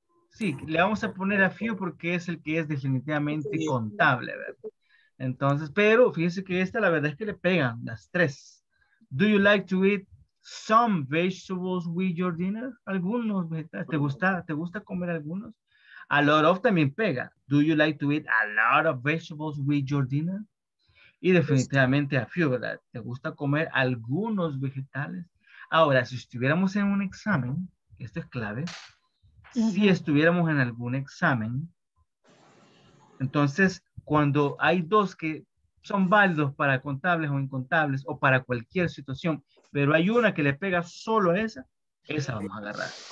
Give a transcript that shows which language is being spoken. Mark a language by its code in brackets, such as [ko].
[es] Sí, le vamos a poner a few porque es el que es definitivamente contable, ¿verdad? Entonces, pero fíjense que esta la verdad es que le pegan las tres. [en] Do you like to eat some vegetables with your dinner? [es] Algunos vegetales. ¿Te gusta comer algunos? A lot of también pega. [en] Do you like to eat a lot of vegetables with your dinner? [es] Y definitivamente a few, ¿verdad? ¿Te gusta comer algunos vegetales? Ahora, si estuviéramos en un examen, esto es clave. Si estuviéramos en algún examen, entonces cuando hay dos que son válidos para contables o incontables o para cualquier situación, pero hay una que le pega solo a esa, esa vamos a agarrar.